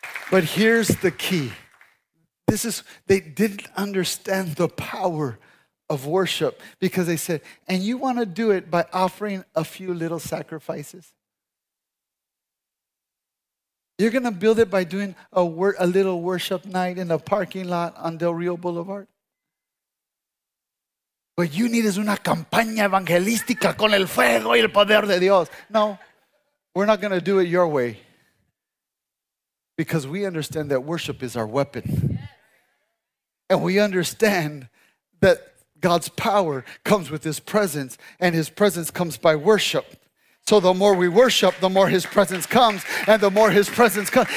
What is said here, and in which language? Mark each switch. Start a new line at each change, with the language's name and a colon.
English: But here's the key. This is, they didn't understand the power of worship because they said, "And you want to do it by offering a few little sacrifices? You're going to build it by doing a little worship night in a parking lot on Del Rio Boulevard? What you need is
Spanish: una campaña evangelística con el fuego y el poder de Dios."
English: No, we're not going to do it your way because we understand that worship is our weapon. And we understand that God's power comes with his presence, and his presence comes by worship. So the more we worship, the more his presence comes, and the more his presence comes.